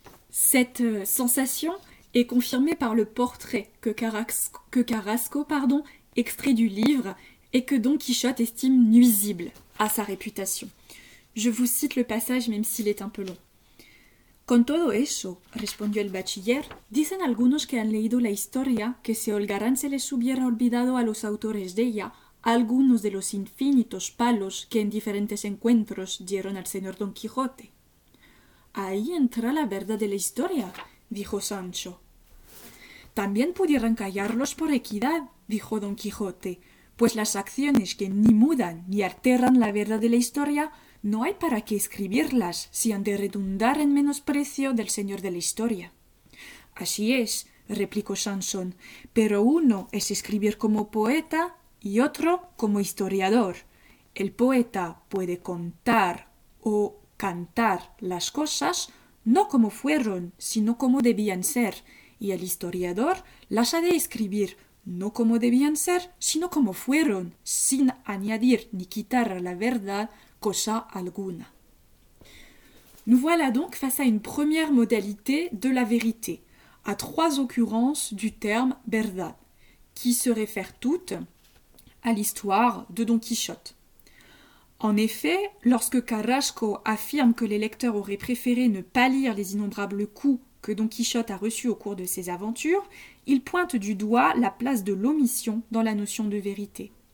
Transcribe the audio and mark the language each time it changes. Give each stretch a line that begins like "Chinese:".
French: Cette sensation est confirmée par le portrait que Carrasco, extrait du livre et que Don Quichotte estime nuisible à sa réputation. Je vous cite le passage même s'il est un peu long.
Spanish: Con todo eso, respondió el bachiller, dicen algunos que han leído la historia que si Holgarán se les hubiera olvidado a los autores de ella, algunos de los infinitos palos que en diferentes encuentros dieron al señor Don Quijote. Ahí entra la verdad de la historia, dijo Sancho. También pudieran callarlos por equidad, dijo Don Quijote, pues las acciones que ni mudan ni alteran la verdad de la historia no hay para qué escribirlas si han de redundar en menosprecio del señor de la historia. Así es, replicó Sansón, pero uno es escribir como poeta y otro como historiador. El poeta puede contar o cantar las cosas no como fueron, sino como debían ser, y el historiador las ha de escribir no como debían ser, sino como fueron, sin añadir ni quitar la verdad cosa alguna.
French: Nous voilà donc face à une première modalité de la vérité, à trois occurrences du terme « verdad », qui se réfèrent toutes à l'histoire de Don Quichotte. En effet, lorsque Carrasco affirme que les lecteurs auraient préféré ne pas lire les innombrables coups que Don Quichotte a reçus au cours de ses aventures, il pointe du doigt la place de l'omission dans la notion de vérité.